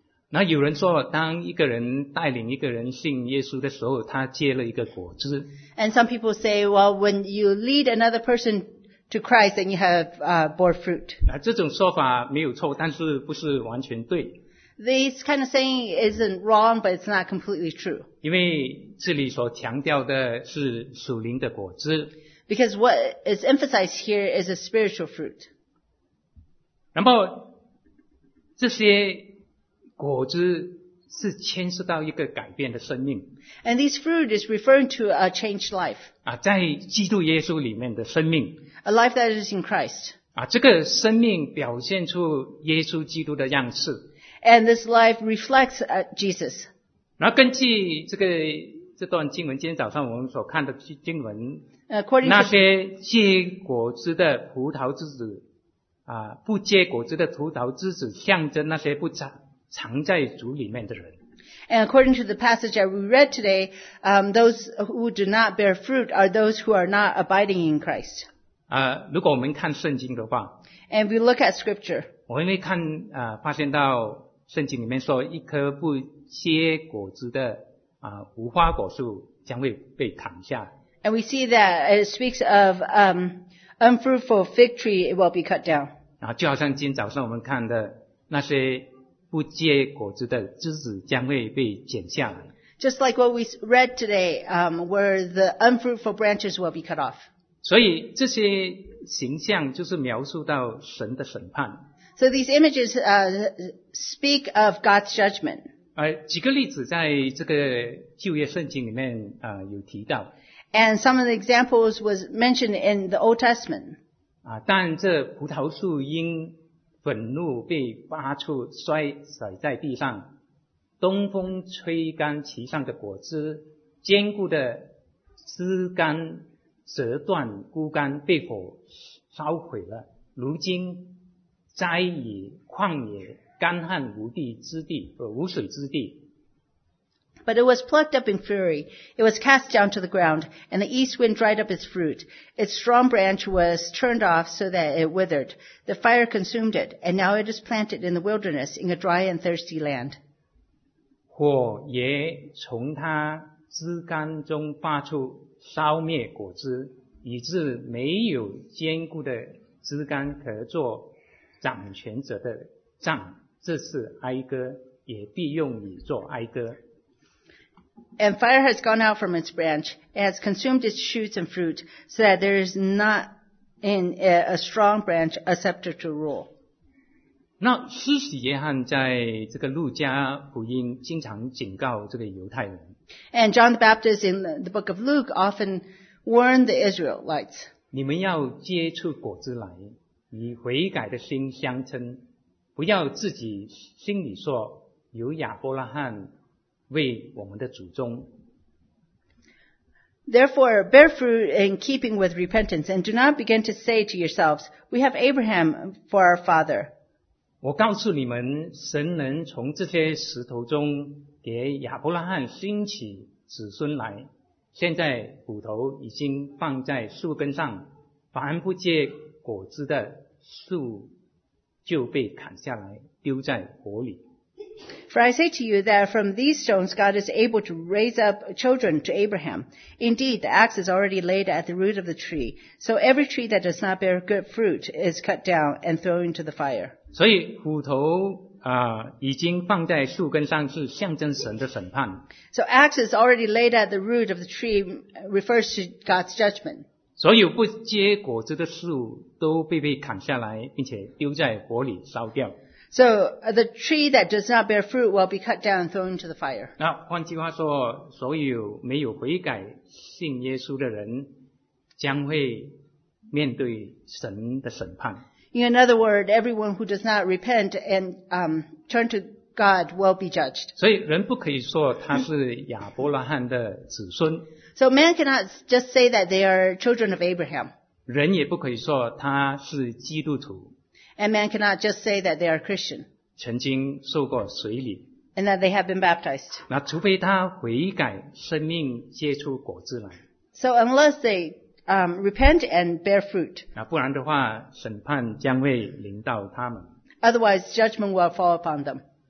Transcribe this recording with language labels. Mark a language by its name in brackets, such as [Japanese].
[Chinese] 那有人说当一个人带领一个人信耶稣的时候他结了一个果子。 [English] And some people say, well, when you lead another person to Christ, then you have, bore fruit. [Chinese] 这种说法没有错，但是不是完全对。 [English] This kind of saying isn't wrong, but it's not completely true. [Chinese] 因为这里所强调的是属灵的果子。 [English] Because what is emphasized here is a spiritual fruit. [Chinese] 然后，这些果子是牵涉到一个改变的生命。 [English] And this fruit is referring to a changed life. [Chinese] 啊，在基督耶稣里面的生命。 [English] A life that is in Christ. [Chinese] 啊，这个生命表现出耶稣基督的样式。 [English] And this life reflects Jesus. [Chinese] 那根据这段经文，今天早上我们所看的经文， [English] According to [Chinese] 那些结果子的葡萄枝子，啊，不结果子的葡萄枝子象征那些不长。藏在主里面的人。 [English] And according to the passage that we read today, those who do not bear fruit are those who are not abiding in Christ. [Chinese] 如果我们看圣经的话。 [English] And we look at scripture. [Chinese] 我们会看发现到圣经里面说一棵不结果子的无花果树将会被砍下。 [English] And we see that it speaks of, unfruitful fig tree, it will be cut down. [Chinese] 就好像今天早上我们看的那些不结果子的枝子将会被剪下来。 [English] Just like what we read today, where the unfruitful branches will be cut off. [Chinese] 所以这些形象就是描述到神的审判。 [English] So these images, speak of God's judgment. [Chinese] 几个例子在这个旧约圣经里面有提到。 [English] And some of the examples was mentioned in the Old Testament. [Chinese] 但这葡萄树因愤怒被拔出甩在地上，东风吹干其上的果子，坚固的枝干折断枯干，被火烧毁了。如今灾已旷野，干旱无地之地，无水之地。 [English] But it was plucked up in fury. It was cast down to the ground, and the east wind dried up its fruit. Its strong branch was turned off so that it withered. The fire consumed it, and now it is planted in the wilderness in a dry and thirsty land. [Chinese] 火也从它枝干中发出，烧灭果子，以致没有坚固的枝干可做掌权者的杖。这是哀歌，也必用以作哀歌。 [English] And fire has gone out from its branch, and has consumed its shoots and fruit, so that there is not in a strong branch a scepter to rule. [Chinese] 那施洗约翰在这个路加福音经常警告这个犹太人。 [English] And John the Baptist in the book of Luke often warned the Israelites. [Chinese] 你们要结出果子来，以悔改的心相称，不要自己心里说，有亚伯拉罕为我们的祖宗。 [English] Therefore, bear fruit in keeping with repentance, and do not begin to say to yourselves, we have Abraham for our father. [Chinese] 我告诉你们，神能从这些石头中给亚伯拉罕兴起子孙来。现在骨头已经放在树根上，凡不结果子的树就被砍下来，丢在火里。 [English] For I say to you that from these stones God is able to raise up children to Abraham. Indeed, the axe is already laid at the root of the tree. So every tree that does not bear good fruit is cut down and thrown into the fire. [Chinese] 所以骨头已经放在树根上是象征神的审判。 [English] So axe is already laid at the root of the tree refers to God's judgment. [Chinese] 所有不结果子的树都被砍下来，并且丢在火里烧掉。 [English] So the tree that does not bear fruit will be cut down and thrown into the fire. [Chinese] 那换句话说，所有没有悔改信耶稣的人将会面对神的审判。 [English] In other words, everyone who does not repent and turn to God will be judged. [Chinese] 所以人不可以说他是亚伯拉罕的子孙。 [English] So man cannot just say that they are children of Abraham. [Chinese] 人也不可以说他是基督徒。 [English] And man cannot just say that they are Christian. [Chinese] 曾经受过洗礼。 [English] And that they have been baptized. [Chinese] 那除非他悔改，生命结出果子来。 [English] So unless they repent and bear fruit. [Chinese] 那不然的话，审判将会临到他们。 [English] Otherwise, judgment will fall upon them.